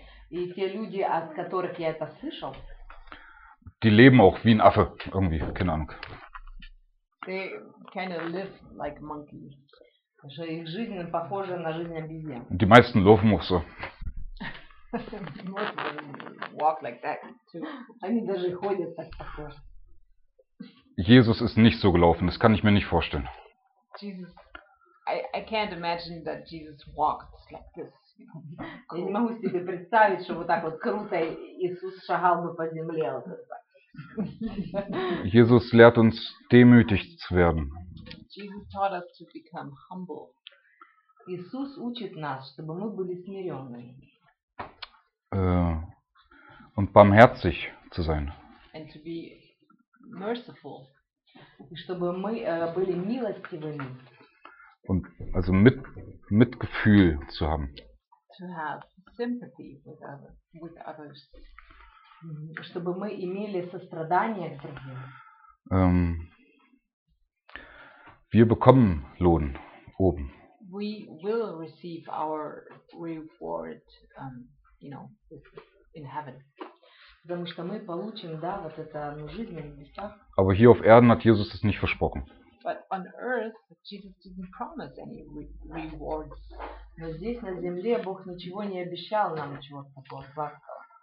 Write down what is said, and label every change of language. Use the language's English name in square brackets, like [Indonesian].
[Russian] и те люди, от которых я это слышал, [German] die leben auch wie ein Affe, irgendwie, keine Ahnung. [English] They kind of live like monkeys. [Russian] Что их жизнь похожа на жизнь обезьян. [German] Die meisten laufen auch so. [English] Most of them walk like that too. [Russian] Они даже ходят так похоже. [German] Jesus ist nicht so gelaufen, das kann ich mir nicht vorstellen. [English] Jesus, I can't imagine that Jesus walked like this. [Russian] Я не могу себе представить, что вот так вот круто Иисус шагал бы по земле. [German] Jesus lehrt uns, demütig zu werden. [English] Jesus taught us to become humble. [Russian] Иисус учит нас, чтобы мы были смиренными. [German] Und barmherzig zu sein. [English] And to be merciful. [Russian] И чтобы мы были милостивыми. [German] Und also Mitgefühl zu haben. [English] To have sympathy with others. [Russian] Чтобы мы имели сострадание к другим. [German] Wir bekommen Lohn oben. [English] We will receive our reward, you know, in heaven. [Russian] Потому что мы получим, да, вот это, ну, жизнь на небесах. [German] Aber hier auf Erden hat Jesus es nicht versprochen. [English] But on earth, Jesus didn't promise any rewards. [Russian] Но здесь, на земле, Бог ничего не обещал нам, чего-то такого сладкого.